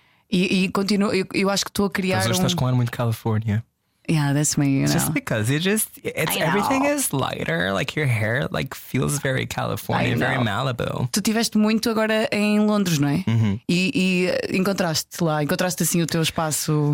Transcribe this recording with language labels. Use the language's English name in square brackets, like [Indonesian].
[Portuguese] E continuo, eu acho que estou a criar. Mas hoje estás com ar muito Califórnia. [English] Yeah, that's me, you know. Just because it's everything is lighter, like your hair like feels very California, very Malibu. [Portuguese] Tu estiveste muito agora em Londres, não é? Uh-huh. E encontraste lá, encontraste assim o teu espaço.